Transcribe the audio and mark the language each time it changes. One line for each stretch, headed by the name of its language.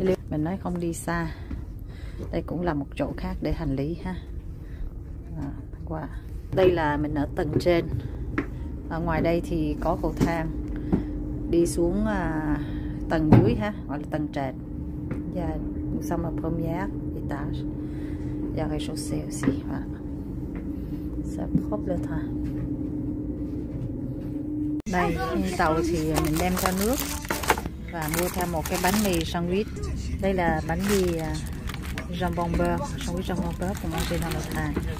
Vietnamese: Mình nói không đi xa. Đây cũng là một chỗ khác để hành lý ha. Qua. Đây là mình ở tầng trên. Ở ngoài đây thì có cầu thang đi xuống tầng dưới ha, gọi là tầng trệt.
French: Và nous sommes au premier étage. Il y a rez-de-chaussée aussi. C'est propre ça.
Vietnamese: Đây, tàu thì mình đem theo nước và mua theo một cái bánh mì sandwich. Đây là bánh mì jambon beurre, sandwich jambon beurre của công ty Nam Lộc Hà.